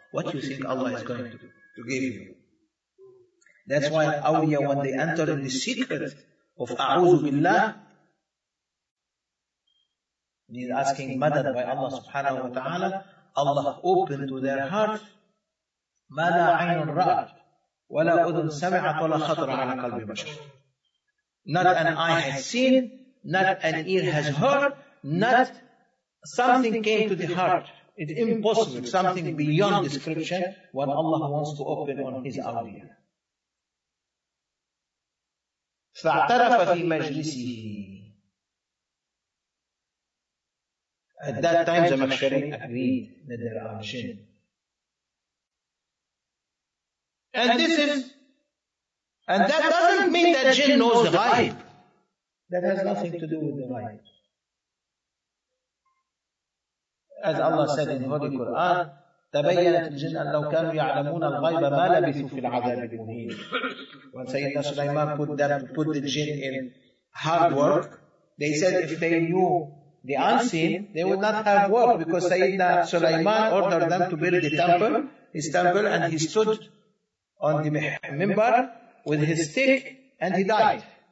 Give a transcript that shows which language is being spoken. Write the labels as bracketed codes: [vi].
[en] What do you think Allah is going to give you? That's why awliya, when they enter in the secret of A'udhu Billah, need asking madad by Allah subhanahu wa ta'ala, Allah opened to their heart. [ar] ما لا عين رأت ولا أذن سمعت ولا خطر على قلب بشر. [en] Not an eye has seen, not an ear has heard, not something came to the heart. It's impossible, something beyond description when Allah wants to open on His awliya. [ar] فاعترف في مجلسه. [en] At that time, Zamakhshari agreed that there are jinn. And that doesn't mean that jinn knows the ghaib. That has nothing to do with the ghaib. As Allah said in the Holy Quran, [ar] تَبَيَّنَتْ الْجِنَّ أَنْ لَوْ كَانُوا يَعْلَمُونَ الْغَيْبَ مَا لَبِثُوا فِي الْعَذَابِ الْمُهِينِ. [en] When Sayyidina Sulaiman put the jinn in hard work, they said if they knew the unseen, they would not have work, because Sayyidina Sulaiman ordered them to build the temple, his temple, and he stood on the minbar with his stick and he died.